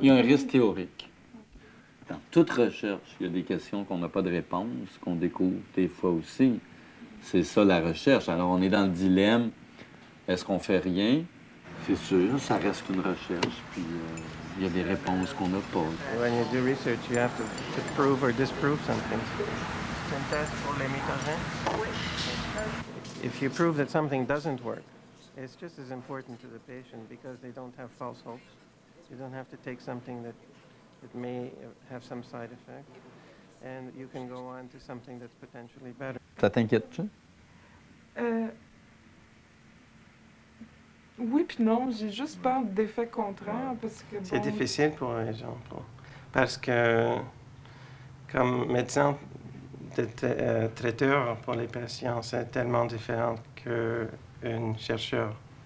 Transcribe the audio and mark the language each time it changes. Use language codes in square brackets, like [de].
[fr] Il y a un risque théorique. Dans toute recherche, il y a des questions qu'on n'a pas de réponse, qu'on découvre des fois aussi. C'est ça, la recherche. Alors, on est dans le dilemme, est-ce qu'on fait rien? C'est sûr, ça reste qu'une recherche, puis il y a des réponses qu'on n'a pas. [en] When you do research, you have to prove or disprove something. If you prove that something doesn't work, it's just as important to the patient because they don't have false hopes. You don't have to take something that may have some side effect, and you can go on to something that's potentially better. [fr] Ça t'inquiète-tu? Oui puis non, j'ai juste peur d'effets contraires parce que c'est difficile pour les gens, parce que comme médecin. D'être traiteur pour les patients, c'est tellement différent qu'un chercheur.